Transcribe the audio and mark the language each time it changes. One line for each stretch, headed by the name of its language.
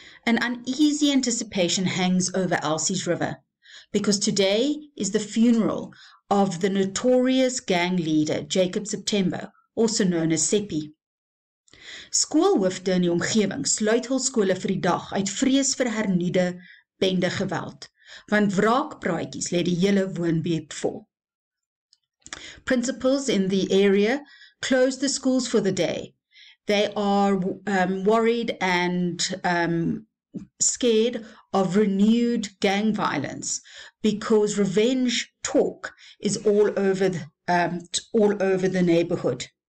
English: An uneasy anticipation hangs over Elsie's river, because today is the funeral of the notorious gang leader Jacob September, also known as Seppi.
Afrikaans: Skoolhoofde in die omgewing sluit hul skole vir die dag uit vrees vir hernuide bende geweld, want wraakpraatjies lê die hele woonbuurt vol.
English: Principals in the area close the schools for the day. They are worried and scared of renewed gang violence because revenge talk is all over the neighborhood.